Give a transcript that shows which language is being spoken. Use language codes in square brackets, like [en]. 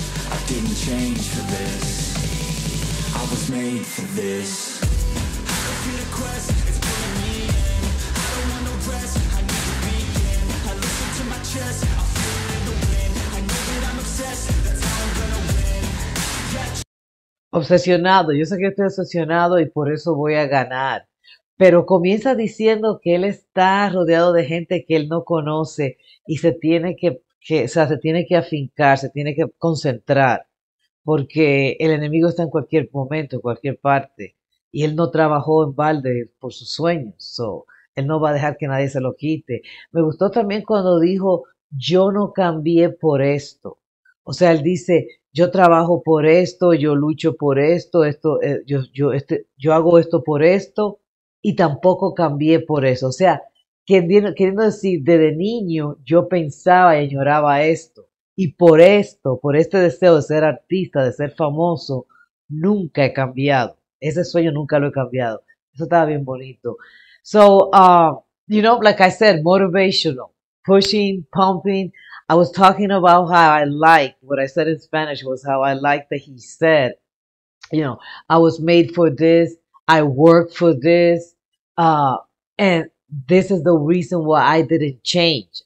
[en] I didn't change for this. I was made for this. I can feel the quest, it's pulling me in. I don't want no rest, I need to begin. I listen to my chest, I feel it in the wind. I know that I'm obsessed, that's how I'm gonna win. Yeah. [es] Obsesionado, yo sé que estoy obsesionado y por eso voy a ganar. Pero comienza diciendo que él está rodeado de gente que él no conoce y se tiene que o sea, se tiene que afincar, se tiene que concentrar, porque el enemigo está en cualquier momento, en cualquier parte, y él no trabajó en balde por sus sueños, so, él no va a dejar que nadie se lo quite. Me gustó también cuando dijo, yo no cambié por esto. O sea, él dice, yo trabajo por esto, yo lucho por esto, yo hago esto por esto, y tampoco cambié por eso. O sea, queriendo decir, desde niño yo pensaba y añoraba esto, y por esto, por este deseo de ser artista, de ser famoso, nunca he cambiado. Ese sueño nunca lo he cambiado. Eso estaba bien bonito. [en] So, you know, like I said, motivational, pushing, pumping. I was talking about how I liked what I said in Spanish was how I liked that he said, you know, I was made for this, I worked for this, and this is the reason why I didn't change.